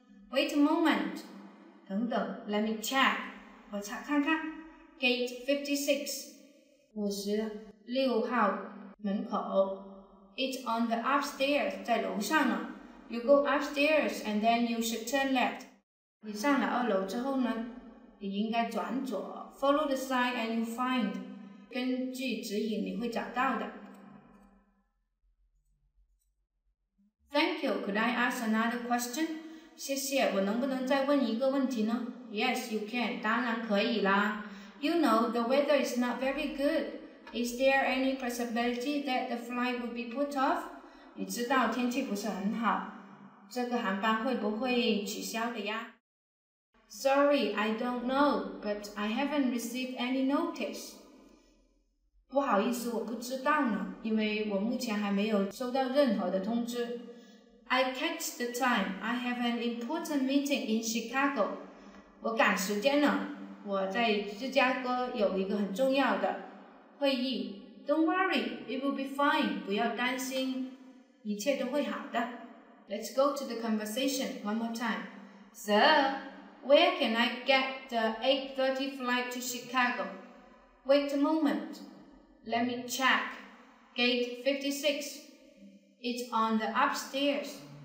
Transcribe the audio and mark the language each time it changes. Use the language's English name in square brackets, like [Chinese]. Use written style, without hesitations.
[English] Wait a moment. [Chinese] 等等， [English] let me check. [Chinese] 我查看看。 [English] Gate 56. [Chinese] 56号门口。 [English] It's on the upstairs, [Chinese] 在楼上呢。 [English] You go upstairs and then you should turn left. [Chinese] 你上了二楼之后呢，你应该转左。 [English] Follow the sign and you find. [Chinese] 根据指引你会找到的。 [English] Thank you. Could I ask another question? [Chinese] 谢谢，我能不能再问一个问题呢？ [English] Yes, you can. [Chinese] 当然可以啦。 [English] You know, the weather is not very good. Is there any possibility that the flight would be put off? [Chinese] 你知道天气不是很好，这个航班会不会取消的呀？ [English] Sorry, I don't know, but I haven't received any notice. [Chinese] 不好意思，我不知道呢，因为我目前还没有收到任何的通知。 [English] I catch the time. I have an important meeting in Chicago. [Chinese] 我赶时间了，我在芝加哥有一个很重要的会议。 [English] Don't worry, it will be fine. [Chinese] 不要担心，一切都会好的。 [English] Let's go to the conversation one more time. Sir, where can I get the 8:30 flight to Chicago? Wait a moment. Let me check. Gate 56. It's on the upstairs.